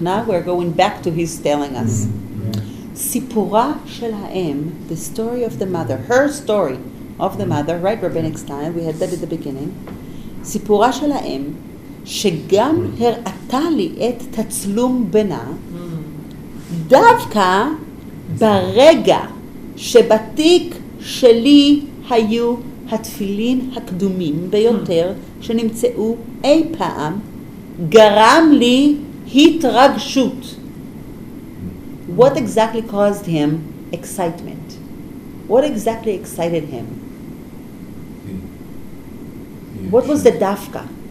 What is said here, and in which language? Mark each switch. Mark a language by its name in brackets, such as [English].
[English] Now we're going back to his telling us. [Hebrew] Sipura shel ha'em, [English] the story of the mother, her story of the mother. Right, rabbinic style. We had that at the beginning. [Hebrew] Sipura shel ha'em. שגם הראתה לי את תצלום בנה, דווקא ברגע שבתיק שלי היו התפילין הקדומים ביותר שנמצאו אי פעם, גרם לי התרגשות. [English] What exactly caused him excitement? What exactly excited him? What was the דווקא?